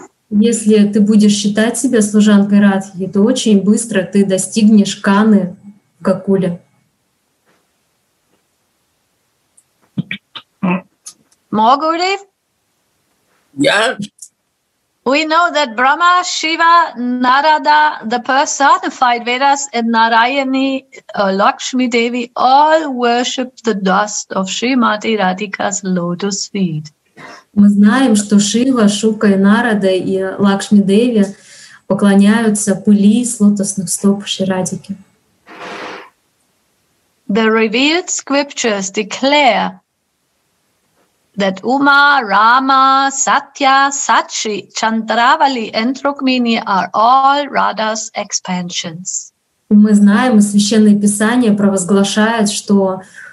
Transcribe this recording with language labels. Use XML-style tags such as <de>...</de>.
<ru>Если ты будешь считать себя служанкой Радхи, то очень быстро ты достигнешь Каны в Гокуле.</ru> <en>More, Gurudev? Yes. We know that Brahma, Shiva, Narada, the personified Vedas, and Narayani, Lakshmi Devi, all worship the dust of Srimati Radhika's lotus feet.</en> <ru>Мы знаем, что Шива, Шука, Нарада и Лакшми Деви поклоняются пыли с лотосных стоп Шри Радхики.</ru> <en>The revealed scriptures declare that Uma, Rama, Satya, Sachi, Chandravali, and Rukmini are all Radha's expansions.</en> <ru>Мы знаем, и Священное Писание провозглашает, что</ru>